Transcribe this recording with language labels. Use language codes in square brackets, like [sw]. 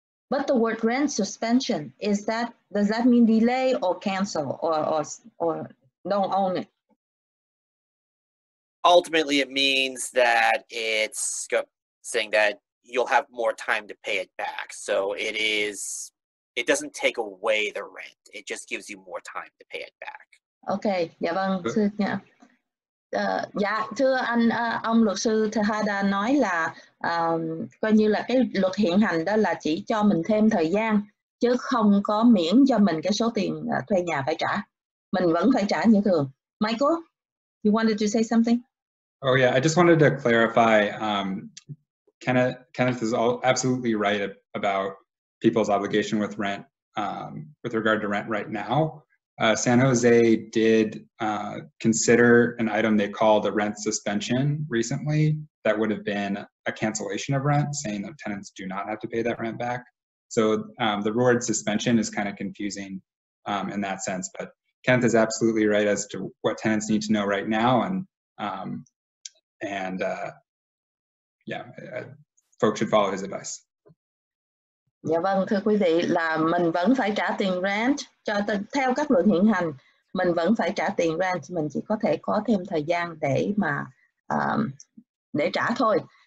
[en] But the word rent suspension, is that, does that mean delay or cancel or don't own it? Ultimately, it means that it's saying that you'll have more time to pay it back. So it is, it doesn't take away the rent. It just gives you more time to pay it back. [vi] Okay. Dạ vâng. Thưa, dạ, thưa anh, ông luật sư Tejada nói là coi như là cái luật hiện hành đó là chỉ cho mình thêm thời gian chứ không có miễn cho mình cái số tiền thuê nhà phải trả. Mình vẫn phải trả như thường. [en] Michael, you wanted to say something? Oh yeah, I just wanted to clarify. Kenneth is all absolutely right about people's obligation with rent, with regard to rent right now. San Jose did consider an item they called a rent suspension recently that would have been a cancellation of rent, saying that tenants do not have to pay that rent back. So the word suspension is kind of confusing in that sense, but Kenneth is absolutely right as to what tenants need to know right now, and folks should follow his advice. [vi] Dạ vâng, thưa quý vị, là mình vẫn phải trả tiền rent cho theo các luật hiện hành, mình vẫn phải trả tiền rent, mình chỉ có thể có thêm thời gian để mà để trả thôi.